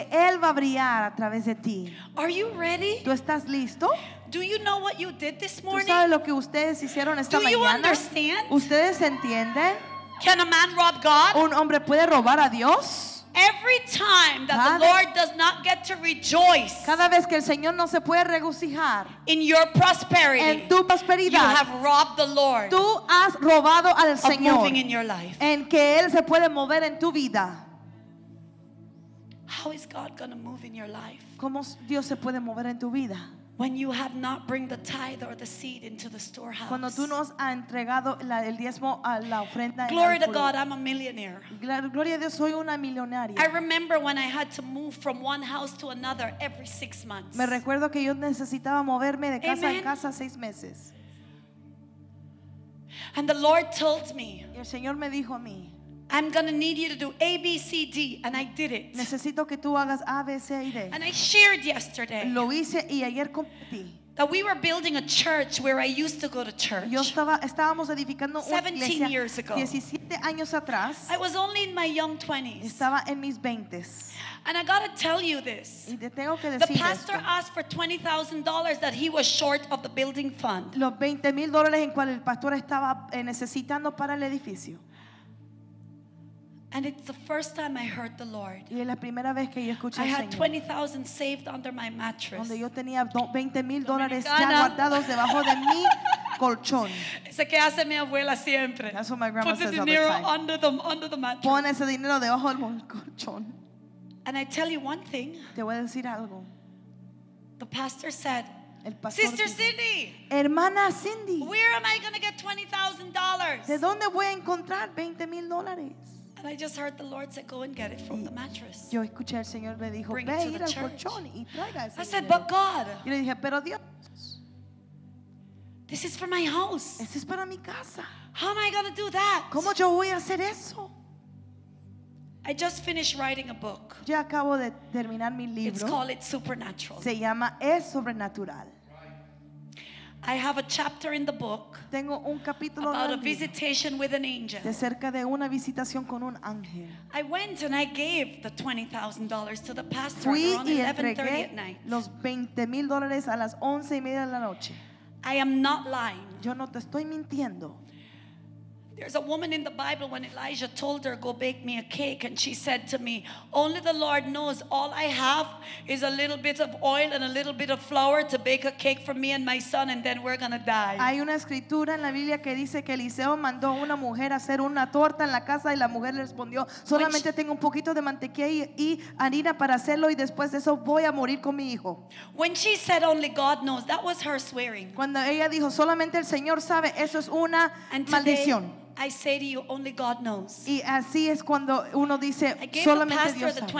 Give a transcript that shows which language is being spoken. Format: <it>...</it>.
<es>Porque él va a brillar a través de ti.</es> <en>Are you ready?</en> <es>¿Tú estás listo?</es> <en>Do you know what you did this morning?</en> <es>¿Tú sabes lo que ustedes hicieron esta mañana?</es> <en>Do you understand?</en> <es>¿Ustedes entienden?</es> <en>Can a man rob God?</en> <es>¿Un hombre puede robar a Dios?</es> <en>Every time that the Lord does not get to rejoice,</en> <es>cada vez que el Señor no se puede regocijar,</es> <en>in your prosperity,</en> <es>en tu prosperidad,</es> <en>you have robbed the Lord.</en> <es>Tú has robado al Señor,</es> <en>of moving in your life,</en> <es>en que él se puede mover en tu vida.</es> <en>How is God going to move in your life?</en> <es>¿Cómo Dios se puede mover en tu vida?</es> <en>When you have not bring the tithe or the seed into the storehouse.</en> <es>Cuando tú nos has entregado el diezmo a la ofrenda.</es> <en>Glory to God, I'm a millionaire.</en> <es>Gloria a Dios, soy una millonaria.</es> <en>I remember when I had to move from one house to another every 6 months.</en> <es>Me recuerdo que yo necesitaba moverme de casa en casa 6 meses.</es> <en>And the Lord told me.</en> <es>El Señor me dijo a mí.</es> <en>I'm gonna need you to do A, B, C, D, and I did it.</en> <es>Necesito que tú hagas A, B, C, D.</es> <en>And I shared yesterday.</en> <es>Lo hice y ayer compartí.</es> <en>That we were building a church where I used to go to church.</en> <es>Yo estábamos edificando una iglesia.</es> <en>17 years ago.</en> <es>17 años atrás.</es> <en>I was only in my young 20s.</en> <es>Estaba en mis 20s.</es> <en>And I gotta tell you this.</en> <es>Y te tengo que decir esto.</es> <en>The pastor asked for $20,000 that he was short of the building fund.</en> <es>Los 20 mil dólares en cual el pastor estaba necesitando para el edificio.</es> <en>And it's the first time I heard the Lord.</en> <es>Y es la primera vez que yo escuché al Señor.</es> <en>I had 20,000 saved under my mattress.</en> <es>Donde yo tenía 20,000 dólares ya guardados debajo de mi colchón. Ese que hace mi abuela siempre.</es> <en>That's what my grandma says all the time. Put the dinero under the mattress.</en> <es>Pon ese dinero debajo del colchón.</es> <en>And I tell you one thing.</en> <es>Te voy a decir algo.</es> <en>The pastor said.</en> <es>El pastor</es> <en>Sister</en> <es>dijo,</es> <en>Cindy.</en> <es>Hermana Cindy.</es> <en>Where am I going to get $20,000?</en> <es>¿De dónde voy a encontrar 20,000 dólares?</es> <en>And I just heard the Lord say, "Go and get it from the mattress."</en> <es>Yo escuché al Señor me dijo,</es> <en>"Bring</en> <es>ve</es> <en>it to</en> <es>ir</es> <en>the</en> <es>al</es> <en>church."</en> <es>Colchón y traiga ese</es> <en>I said, "But God."</en> <es>Y le dije, "Pero Dios."</es> <en>This is for my house.</en> <es>Este es para mi casa.</es> <en>How am I going to do that?</en> <es>¿Cómo yo voy a hacer eso?</es> <en>I just finished writing a book.</en> <es>Ya acabo de terminar mi libro.</es> <en>It's called It Supernatural.</en> <es>Se llama Es Sobrenatural.</es> <en>I have a chapter in the book.</en> <es>Tengo un capítulo</es> <en>about a visitation with an angel.</en> <es>De cerca de una visitación con un ángel.</es> <en>I went and I gave the $20,000 to the pastor around 11:30 at night.</en> <es>Los 20,000 dólares a las 11:30 de la noche.</es> <en>I am not lying.</en> <es>Yo no te estoy mintiendo.</es> <en>There's a woman in the Bible when Elijah told her, go bake me a cake, and she said to me, only the Lord knows, all I have is a little bit of oil and a little bit of flour to bake a cake for me and my son, and then we're going to die.</en> <es>Hay una escritura en la Biblia que dice que Eliseo mandó a una mujer a hacer una torta en la casa, y la mujer le respondió, solamente tengo un poquito de mantequilla y harina para hacerlo, y después de eso voy a morir con mi hijo.</es> <en>When she said, only God knows, that was her swearing.</en> <es>Cuando ella dijo, solamente el Señor sabe, eso es una maldición.</es> <en>I say to you, only God knows.</en> <es>Y así es cuando uno dice, solamente Dios sabe.</es>